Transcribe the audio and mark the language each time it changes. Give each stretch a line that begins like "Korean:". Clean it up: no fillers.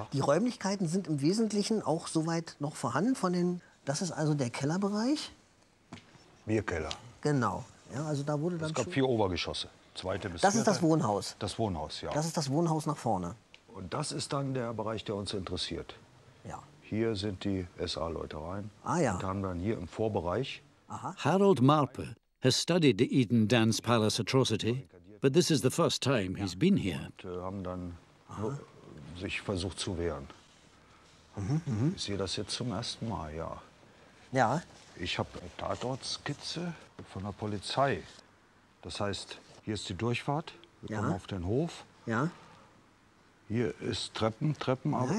German: die Räumlichkeiten sind im Wesentlichen auch soweit noch vorhanden von den, das ist also der Kellerbereich. Bierkeller. Genau. Ja, also da wurde dann es gab 4 Obergeschosse, 2. bis 4. Das ist das Wohnhaus. Das Wohnhaus, ja. Das ist das Wohnhaus nach vorne. Und das ist dann der Bereich, der uns interessiert. Ja. Hier sind die SA-Leute rein. Ah ja. Und haben dann hier im Vorbereich. Aha.
English: Harold Marpe has studied the Eden Dance Palace atrocity, but this is the first time he's been here.
German: Und haben dann sich versucht zu wehren. Mhm. Ich sehe das jetzt zum ersten Mal, ja. Ja. Ich habe eine Tatortskizze von der Polizei. Das heißt, hier ist die Durchfahrt. Wir kommen auf den Hof. Ja. Hier ist Treppenabsatz.